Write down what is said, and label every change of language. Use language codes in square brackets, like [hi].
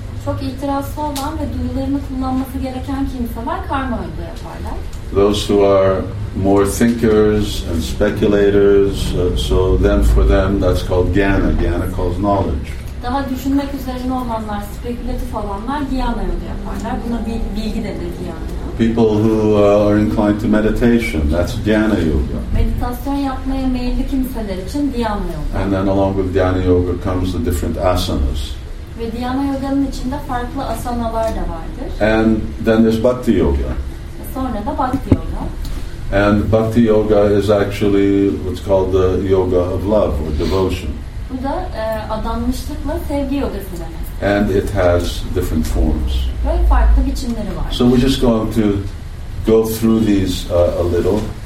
[tr] Çok itirazlı olan ve duyularını kullanması gereken kimseler karma yoga yaparlar. [en] Those who are more thinkers and speculators, so then for them that's called jnana. Jnana calls knowledge. [tr] Daha düşünmek üzerine olanlar, spekülatif olanlar jnana yoga yaparlar. Buna bilgi denir jnana. [en] People who are inclined to meditation, that's Dhyana Yoga. [tr] Meditasyon yapmaya meyilli kimseler için Dhyana Yoga. [en] And then along with Dhyana Yoga comes the different asanas. [tr] Ve Dhyana Yoga'nın içinde farklı asanalar da vardır. [en] And then there's Bhakti Yoga. [tr] Sonra da Bhakti Yoga. [en] And Bhakti Yoga is actually what's called the Yoga of Love or Devotion. [tr] Bu da adanmışlıkla sevgi yogası demek. [en] And it has different forms. [tr] Böyle farklı biçimleri var. [en] So we're just going to go through these a little.